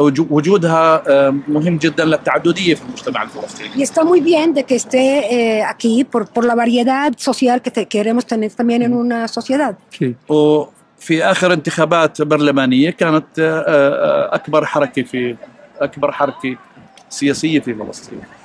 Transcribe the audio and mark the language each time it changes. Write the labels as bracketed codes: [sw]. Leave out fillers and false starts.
[ar] وجودها مهم جدا للتعدديه في المجتمع الفلسطيني. [es] Y está muy bien de que esté aquí por la variedad social que queremos tener también en una sociedad. [ar] في اخر انتخابات برلمانيه كانت اكبر حركه سياسيه في فلسطين.